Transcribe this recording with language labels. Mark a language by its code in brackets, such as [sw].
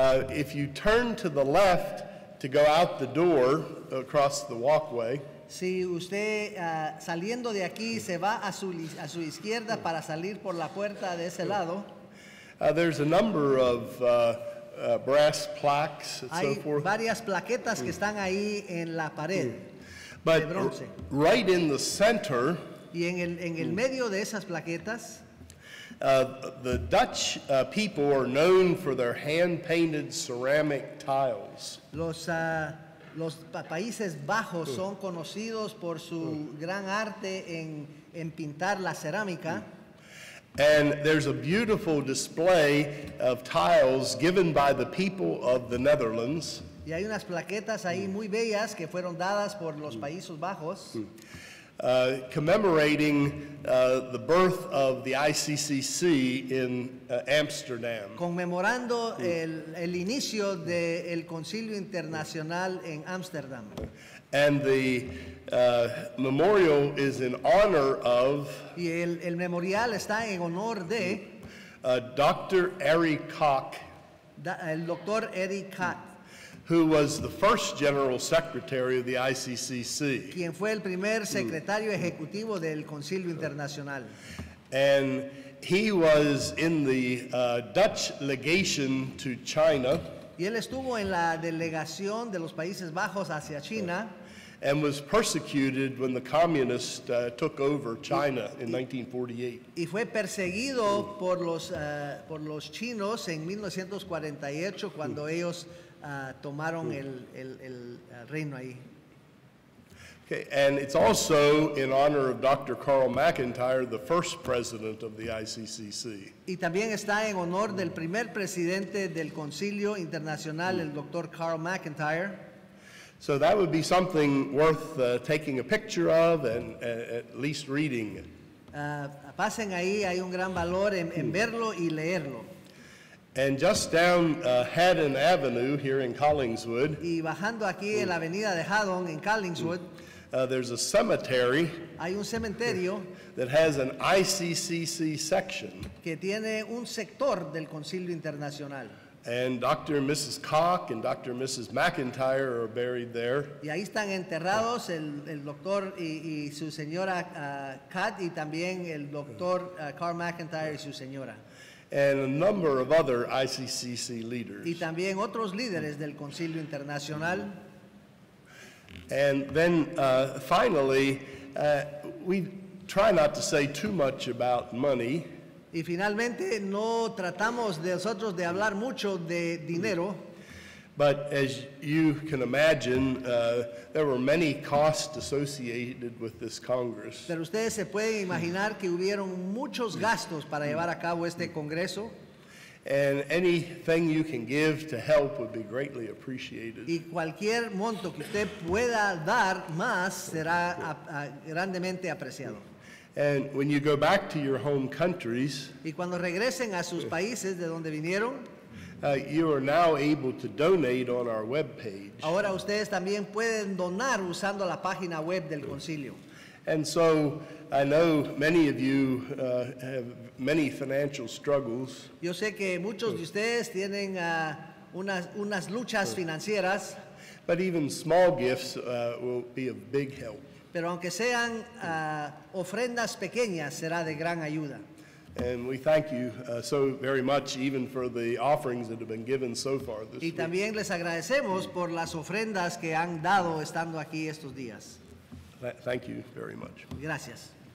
[en] If you turn to the left to go out the door across the walkway. [es] Si usted saliendo de aquí se va a su izquierda para salir por la puerta de ese lado. [en] There's a number of brass plaques and [es] hay [en] so forth. [es] Varias plaquetas que están ahí en la pared. [en] But [es] de bronce. [en] Right in the center. [es] Y en el medio de esas plaquetas. [en] The Dutch people are known for their hand-painted ceramic tiles. [es] Los Países Bajos son conocidos por su gran arte en pintar la cerámica. [en] And there's a beautiful display of tiles given by the people of the Netherlands. [es] Y hay unas plaquetas ahí muy bellas que fueron dadas por los Países Bajos. [en] Commemorating the birth of the ICCC in Amsterdam. [es] Conmemorando el inicio del Concilio Internacional en Amsterdam. [en] And the memorial is in honor of. [es] Y el memorial está en honor de. [en] Dr. Harry Koch. [es] El doctor Harry Koch. [en] Who was the first general secretary of the ICCC. [es] Quien fue el primer secretario ejecutivo del Concilio Internacional. [en] And he was in the Dutch legation to China. [es] Y él estuvo en la delegación de los Países Bajos hacia China. [en] And was persecuted when the communists took over China in 1948. [es] Y fue perseguido por los chinos en 1948 cuando ellos tomaron el reino ahí. [en] Okay, and it's also in honor of Dr. Carl McIntyre, the first president of the ICCC. [es] Y también está en honor del primer presidente del Concilio Internacional, el Dr. Carl McIntyre. [en] So that would be something worth taking a picture of and at least reading. [es] Pasen ahí, hay un gran valor en verlo y leerlo. [en] And just down Haddon Avenue here in Collingswood. [es] Y bajando aquí en la avenida de Haddon en Collingswood. [en] There's a cemetery. [es] Hay un cementerio. [en] That has an ICCC section. [es] Que tiene un sector del Concilio Internacional. [en] And Dr. and Mrs. Koch and Dr. and Mrs. McIntyre are buried there. [es] Y ahí están enterrados el doctor y su señora Kat y también el doctor Carl McIntyre y su señora. [en] And a number of other ICCC leaders. [es] Y también otros líderes del Concilio Internacional. [en] And then finally, we try not to say too much about money. [es] Y finalmente no tratamos nosotros de hablar mucho de dinero. [en] But as you can imagine, there were many costs associated with this Congress. [es] Pero ustedes se pueden imaginar que hubieron muchos gastos para llevar a cabo este Congreso. [en] And anything you can give to help would be greatly appreciated. [es] Y cualquier monto que usted pueda dar más será grandemente apreciado. [en] And when you go back to your home countries, [es] y cuando regresen a sus países de donde vinieron, [en] you are now able to donate on our webpage. [es] Ahora ustedes también pueden donar usando la página web del concilio. [en] And so I know many of you have many financial struggles. [es] Yo sé que muchos de ustedes tienen unas luchas financieras. [en] But even small gifts will be of big help. [es] Pero aunque sean ofrendas pequeñas, será de gran ayuda. [en] And we thank you so very much, even for the offerings that have been given so far this [es] week. Y también les agradecemos por las ofrendas que han dado estando aquí estos días. [en] Thank you very much. [es] Gracias.